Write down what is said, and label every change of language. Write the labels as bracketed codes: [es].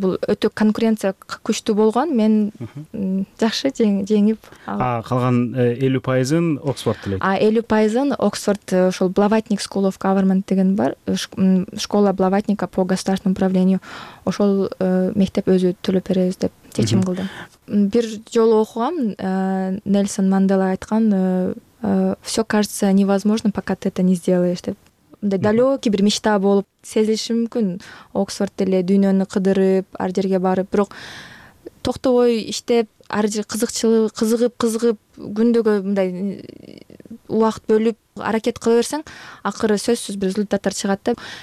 [ky] Бул өтө конкуренция күчтүү болгон, мен жакшы жеңип калган 50% Оксфорд тилейт. 50% Оксфорд, ошол Блаватник School of Government деген бар, [ru] школа Блаватника по государственному управлению, [ky] ошол мектеп өзү төлөп беребиз деп чечим кылды. Бир жолу окугам, Нельсон Мандела айткан, [ru] все кажется невозможным, пока ты это не сделаешь [ky] деп. Мындай далекий бир мечта болуп сезилиши мүмкүн, Оксфорд деле дүйнөнү кыдырып ар жерге барып, бирок токтобой иштеп, ар жер кызыкчылыгы кызыгып күндөгө мындай убакыт бөлүп аракет кыла берсең, акыры сөзсүз бир результаттар чыгат да.